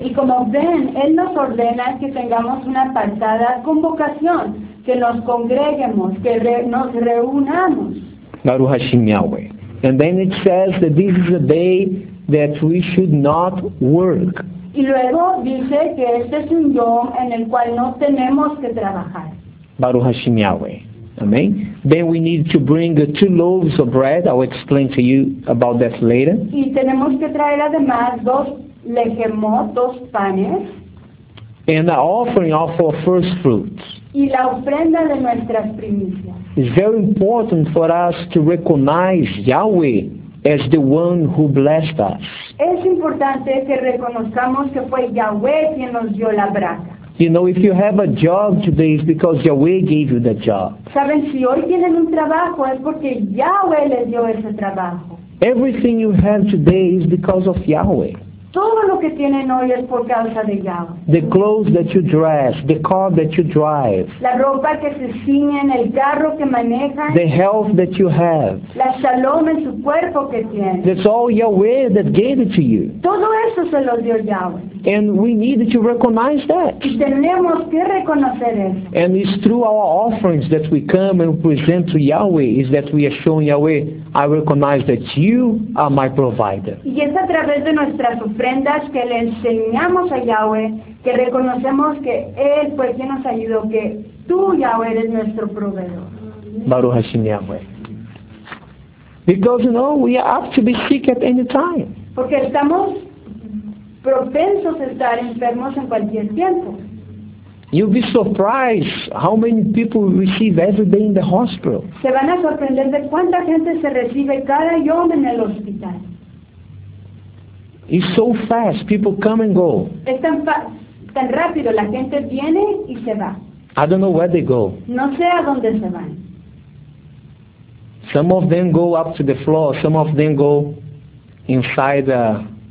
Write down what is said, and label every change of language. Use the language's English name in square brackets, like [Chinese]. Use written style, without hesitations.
[Spanish] Y como ven, él nos ordena que tengamos una apartada convocación. Que nos congreguemos, que nos reunamos. [Hebrew] Baruch Hashem Yahweh. [English] And then it says that this is a day that we should not work. [Spanish] Y luego dice que este es un yom en el cual no tenemos que trabajar. [Hebrew] Baruch Hashem Yahweh. Amen. [English] Then we need to bring 2 loaves of bread. I'll explain to you about that later. [Spanish] Y tenemos que traer además 2 lechemot, 2 panes. [English] And the offering of our first fruits. [Spanish] Y la ofrenda de nuestras primicias. [English] It's very important for us to recognize Yahweh as the one who blessed us. [Spanish] Es importante que reconozcamos que fue Yahweh quien nos dio la braca. [English] You know, if you have a job today, it's because Yahweh gave you that job. [Spanish] ¿Saben? Si hoy tienen un trabajo, es porque Yahweh les dio ese trabajo. [English] Everything you have today is because of Yahweh. [Spanish] Todo lo que tienen hoy es por causa de Yahweh. [English] The clothes that you dress, the car that you drive. [Spanish] La ropa que se ciñen, el carro que manejan. [English] The health that you have. [Spanish] La salud en su cuerpo que tienen. [English] That's all Yahweh that gave it to you. [Spanish] Todo eso se lo dio Yahweh. [English] And we need to recognize that. [Spanish] Y tenemos que reconocer eso. [English] And it's through our offerings that we come and present to Yahweh, is that we are showing Yahweh, I recognize that you are my provider. [Spanish] Y es a través de nuestras ofrendas que le enseñamos a Yahweh, que reconocemos que Él fue quien nos ayudó, que tú, Yahweh, eres nuestro proveedor. [Hebrew] Baruch Hashem Yahweh. [English] Because, you know, we are apt to be sick at any time. [Spanish] Porque estamos propensos a estar enfermos en cualquier tiempo. [English] You'll be surprised how many people receive every day in the hospital. [Spanish] Se van a sorprender de cuánta gente se recibe cada yom en el hospital. [English] It's so fast, people come and go. [Spanish] Es tan tan rápido, la gente viene y se va. [English] I don't know where they go. [Spanish] No sé a dónde se van. [English] Some of them go up to the floor, some of them go inside the